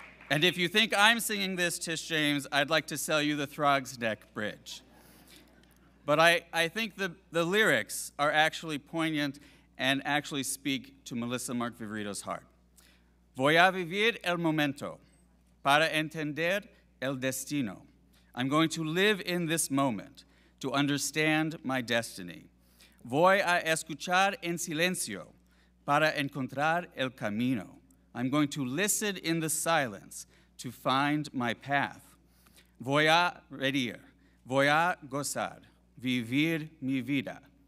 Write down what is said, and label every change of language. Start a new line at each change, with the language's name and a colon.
English: And if you think I'm singing this, Tish James, I'd like to sell you the Throgs Neck Bridge. But I think the lyrics are actually poignant and actually speak to Melissa Mark-Viverito's heart.
Spanish: Voy a vivir el momento para entender el destino.
English: I'm going to live in this moment to understand my destiny.
Spanish: Voy a escuchar en silencio para encontrar el camino.
English: I'm going to listen in the silence to find my path.
Spanish: Voy a reír, voy a gozar, vivir mi vida.